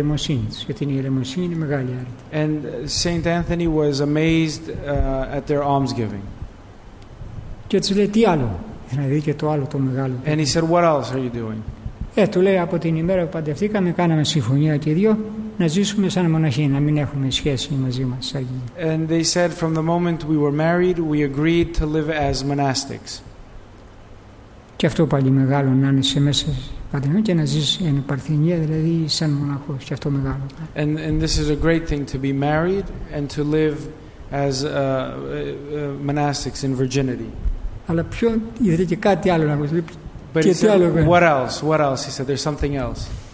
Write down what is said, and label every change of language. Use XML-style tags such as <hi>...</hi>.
<en>And St. Anthony was amazed at their almsgiving. And he said, what else are you doing?</en> <el>Του λέει από την ημέρα που παντρευτήκαμε κάναμε συμφωνία και οι δύο να ζήσουμε σαν μοναχοί, να μην έχουμε σχέση μαζί μας.</el> <en>And they said from the moment we were married we agreed to live as monastics.</en> <el>Και αυτό πάλι μεγάλο να είναι σε μέσα παντρευτήκαμε και να ζήσει εν επαρθενία, δηλαδή σαν μοναχός, και αυτό μεγάλο.</el> <en>And this is a great thing to be married and to live as monastics in virginity.</en> <el>Αλλά πιο ήθελε και κάτι άλλο να ακούσει.</el> <en>But he said, what else? He said, there's something else.</en>